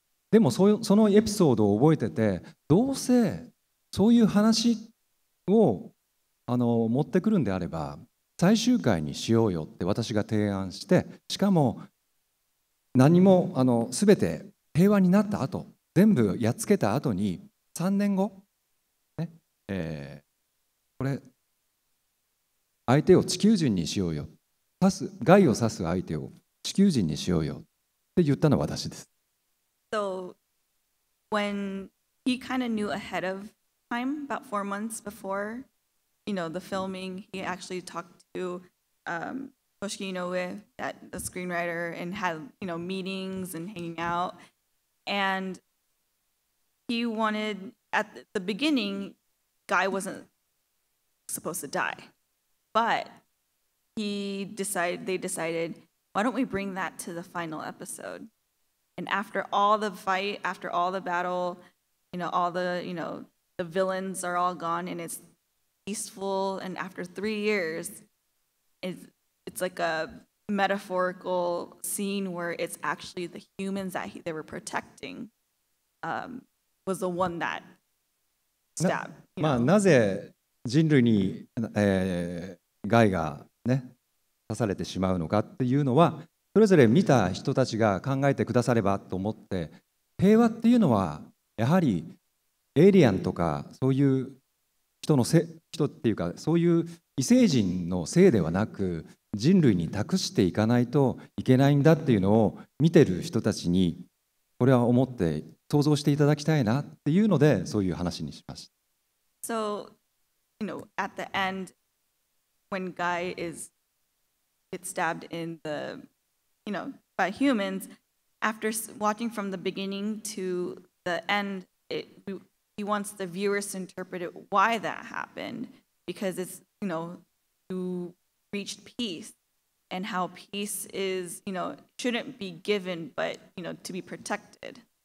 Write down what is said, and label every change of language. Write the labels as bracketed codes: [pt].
[ja] でもそのエピソードを覚えてて、どうせそういう話を持ってくるんであれば最終回にしようよって私が提案して、しかも何も全て平和になった後、全部やっつけた後に3年後、ね、これ相手を地球人にしようよ、刺す害を刺す相手を地球人にしようよって言ったのは私です。 [en] So when he kind of knew ahead of time, about 4 months before, you know, the filming, he actually talked to Toshiki Inoue, that the screenwriter, and had, you know, meetings and hanging out. And he wanted, at the beginning, Guy wasn't supposed to die. But they decided, why don't we bring that to the final episode? And after all the fight, after all the battle, you know, all the, you know, the villains are all gone and it's peaceful. And after 3 years, it's like a metaphorical scene where it's actually the humans that they were protecting was the one that stabbed. [ja] まあなぜ人類に害がね刺されてしまうのかっていうのは、それぞれ見た人たちが考えてくださればと思って、平和っていうのはやはりエイリアンとかそういう人の人っていうか、そういう異星人のせいではなく、人類に託していかないといけないんだっていうのを見てる人たちに、これは思って想像していただきたいなっていうので、そういう話にしました。 [en] So, you know, at the end, when Guy is stabbed in the, you know, by humans, after watching from the beginning to the end, he wants the viewers to interpret it why that happened, because it's, you know, reached peace and how peace is, you know, shouldn't be given, but, you know, to be protected.